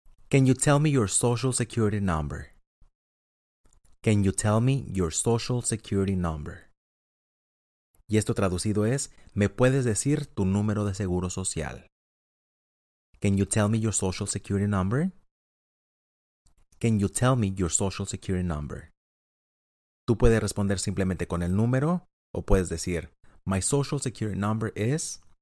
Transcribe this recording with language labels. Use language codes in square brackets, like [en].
[en] Can you tell me your social security number? Can you tell me your social security number? [es] Y esto traducido es, ¿me puedes decir tu número de seguro social? [en] Can you tell me your social security number? Can you tell me your social security number? [es] Tú puedes responder simplemente con el número o puedes decir, [en] my social security number is.